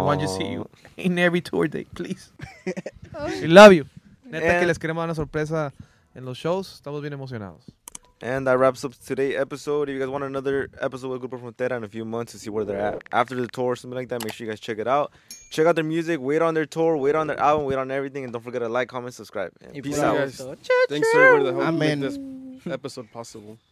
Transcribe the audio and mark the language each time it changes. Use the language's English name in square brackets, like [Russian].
[English] We want to see you in every tour day, please. We love you. [Spanish] Neta que les queremos dar una sorpresa en los shows. Estamos bien emocionados. [English] And that wraps up today's episode. If you guys want another episode with Grupo Frontera in a few months to see where they're at after the tour or something like that, make sure you guys check it out. Check out their music. Wait on their tour. Wait on their album. Wait on everything. And don't forget to like, comment, subscribe. And peace out. Guys. Thanks for everybody that helped make this episode possible.